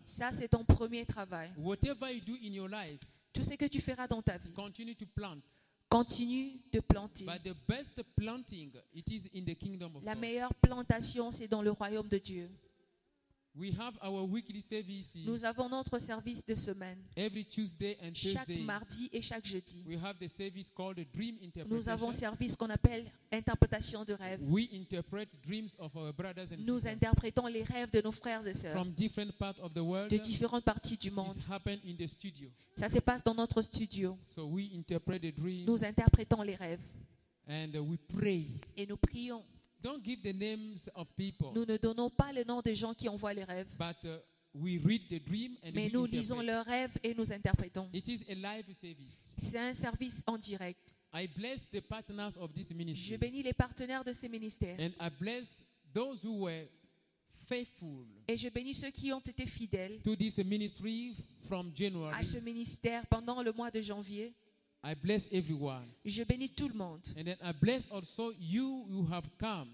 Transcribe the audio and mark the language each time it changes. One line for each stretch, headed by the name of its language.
French: Ça, c'est ton premier travail.
English: Whatever you do in your life,
French: tout ce que tu feras dans ta vie,
English: continue to plant.
French: Continue de planter.
English: But the best planting, it is in the kingdom of
French: la
English: God.
French: La meilleure plantation, c'est dans le royaume de Dieu.
English: We have our weekly services.
French: Nous avons notre service de semaine.
English: Every Tuesday and Thursday.
French: Chaque mardi et chaque jeudi.
English: We have the service called the dream interpretation.
French: Nous avons service qu'on appelle interprétation de rêve.
English: We interpret dreams of our brothers and
French: nous
English: sisters.
French: Interprétons les rêves de nos frères et sœurs.
English: From different parts of the world.
French: De différentes parties du monde.
English: It happens in the studio.
French: Ça se passe dans notre studio.
English: So we interpret the dreams.
French: Nous interprétons les rêves.
English: And we pray.
French: Et nous prions.
English: Don't give the names of people.
French: Nous ne donnons pas le nom des gens qui envoient les rêves.
English: But we read the dream and
French: mais
English: we
French: nous
English: interpret.
French: Lisons leurs rêves et nous interprétons.
English: It is a live service.
French: C'est un service en direct.
English: I bless the partners of this ministry.
French: Je bénis les partenaires de ces ministères.
English: And I bless those who were faithful.
French: Et je bénis ceux qui ont été fidèles
English: to this ministry from January.
French: À ce ministère pendant le mois de janvier.
English: I bless everyone.
French: Je bénis tout le monde.
English: And then I bless also you who have come.